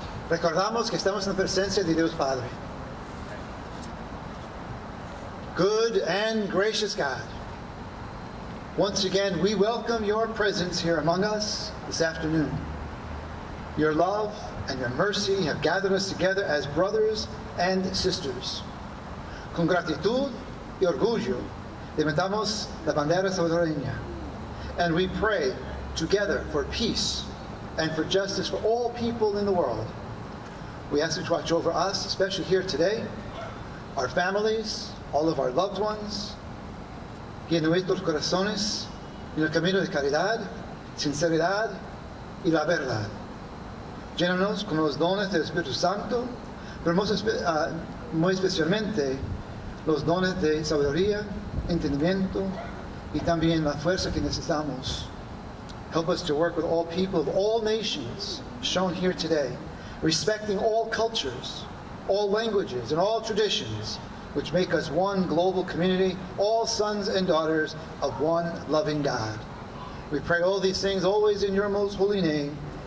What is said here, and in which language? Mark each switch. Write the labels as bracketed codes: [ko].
[es] Recordamos que estamos en la presencia de Dios Padre. [en] Good and gracious God, once again, we welcome your presence here among us this afternoon. Your love and your mercy have gathered us together as brothers and sisters. [es] Con gratitud y orgullo, levantamos la bandera salvadoreña. [en] And we pray together for peace and for justice for all people in the world. We ask you to watch over us, especially here today, our families, all of our loved ones, [es] que nuestros corazones en el camino de caridad, sinceridad y la verdad. Llénanos con los dones del Espíritu Santo, pero muy especialmente los dones de sabiduría, entendimiento y también la fuerza que necesitamos. [en] Help us to work with all people of all nations shown here today, respecting all cultures, all languages, and all traditions, which make us one global community, all sons and daughters of one loving God. We pray all these things always in your most holy name.